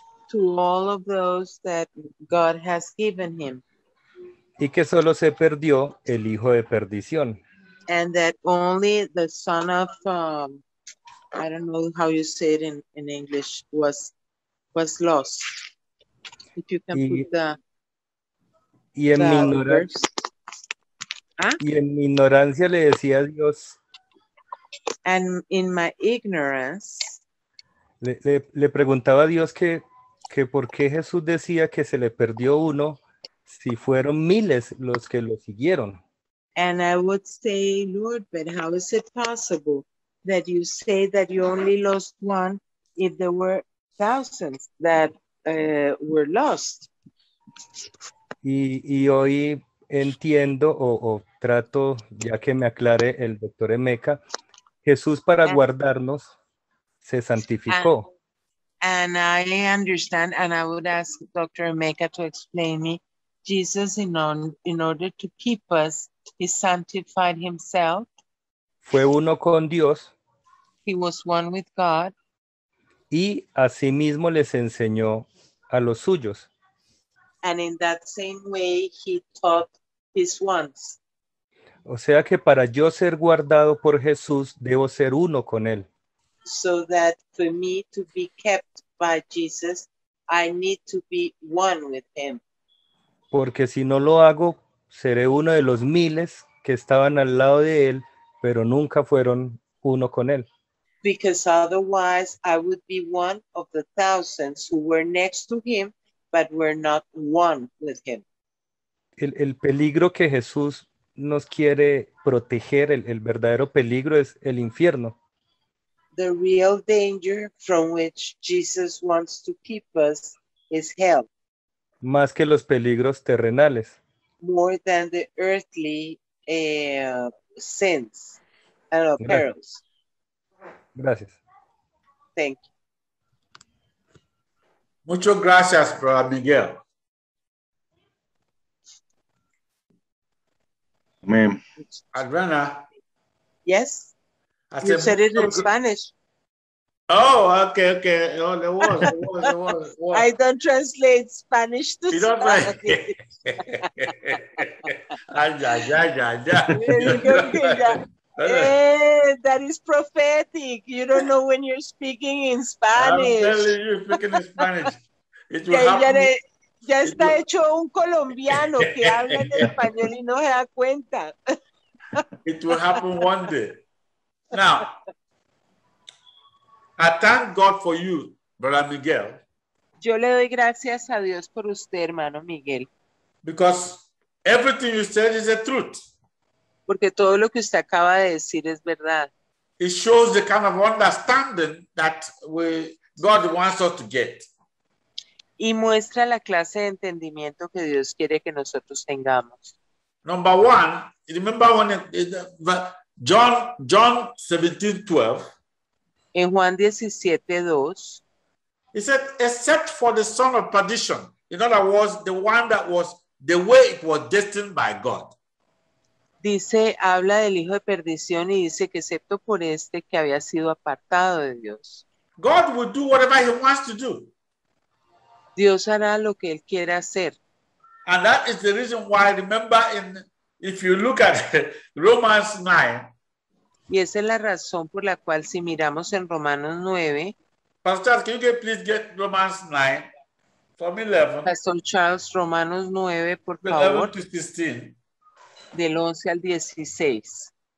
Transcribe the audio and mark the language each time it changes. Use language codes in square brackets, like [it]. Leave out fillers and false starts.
[en] To all of those that God has given him. [es] Y que solo se perdió el hijo de perdición. [en] And that only the son of, I don't know how you say it in English, was lost. If you can [es] Y en mi ignorancia le decía a Dios. [en] And in my ignorance. [es] Le preguntaba a Dios que por qué Jesús decía que se le perdió uno si fueron miles los que lo siguieron. [en] And I would say, Lord, but how is it possible that you say that you only lost one if there were thousands that were lost? [es] Y hoy entiendo o trato, ya que me aclare el doctor Emeka, Jesús para guardarnos se santificó. [en] And I understand, and I would ask Dr. Emeka to explain me, Jesus, in order to keep us, he sanctified himself. [es] Fue uno con Dios. [en] He was one with God. [es] Y así mismo les enseñó a los suyos. [en] And in that same way, he taught his ones. [es] O sea que para yo ser guardado por Jesús, debo ser uno con él. [en] So that for me to be kept by Jesus, I need to be one with him. [es] Porque si no lo hago, seré uno de los miles que estaban al lado de él, pero nunca fueron uno con él. [en] Because otherwise, I would be one of the thousands who were next to him, but were not one with him. [es] El peligro que Jesús nos quiere proteger, el verdadero peligro es el infierno. [en] The real danger from which Jesus wants to keep us is hell. [es] Más que los peligros terrenales. [en] More than the earthly sins and perils. [es] Gracias. [en] Thank you. [es] Muchas gracias, Brother Miguel. [en] Ma'am. Adriana. Yes. You said it in Spanish. Oh, okay, okay. Oh, there was. I don't translate Spanish to Spanish. You don't translate. That is prophetic. You don't know when you're speaking in Spanish. I'm telling you, speaking in Spanish. It will happen. [es] Ya está hecho un colombiano que habla en español y no se da cuenta. [en] It will happen one day. Now, I thank God for you, Brother Miguel. [es] Yo le doy gracias a Dios por usted, hermano Miguel. [en] Because everything you said is the truth. [es] Porque todo lo que usted acaba de decir es verdad. [en] It shows the kind of understanding that God wants us to get. [es] Y muestra la clase de entendimiento que Dios quiere que nosotros tengamos. [en] Number one, remember when John 17, 12. [es] En Juan 17:2, [en] he said, except for the son of perdition. In other words, the one that was the way it was destined by God. [es] Dice, habla del hijo de perdición y dice que excepto por este que había sido apartado de Dios. [en] God will do whatever he wants to do. [es] Dios hará lo que él quiera hacer. [en] And that is the reason why, remember, if you look at Romans 9, [es] y esa es la razón por la cual si miramos en Romanos 9. [en] Pastor, can you please get Romans 9 from 11? [es] Pastor Charles, Romanos 9, por favor. [en] To 16. [es] Del 11 al 16.